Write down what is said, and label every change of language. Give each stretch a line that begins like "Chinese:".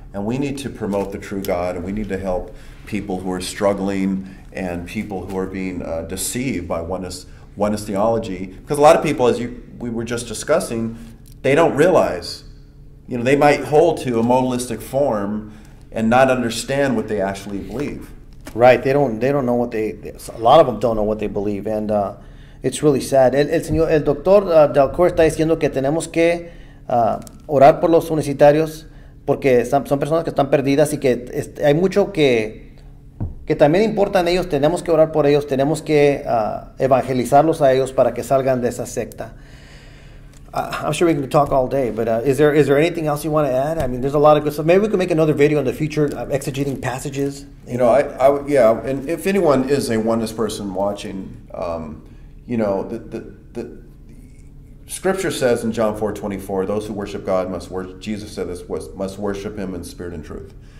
English: And we need to promote the true God, and we need to help people who are struggling and people who are being deceived by oneness theology. Because a lot of people, as we were just discussing, they don't realize, you know, they might hold to a modalistic form and not understand what they actually believe. Right. They don't know what they... A lot of them don't know what they believe. And it's really sad.
Spanish: El doctor Dalcour está diciendo que tenemos que orar por los universitarios, porque son personas que están perdidas y que hay mucho que también importan ellos. Tenemos que orar por ellos. Tenemos que evangelizarlos a ellos para que salgan de esa secta.
English: I'm sure we can talk all day, but is there anything else you want to add? I mean, there's a lot of good stuff. Maybe we can make another video in the future of exegeting passages. You know, yeah, and if anyone is a oneness person watching, you know, the scripture says in John 4:24, those who worship God must worship, Jesus said this, must worship him in spirit and truth.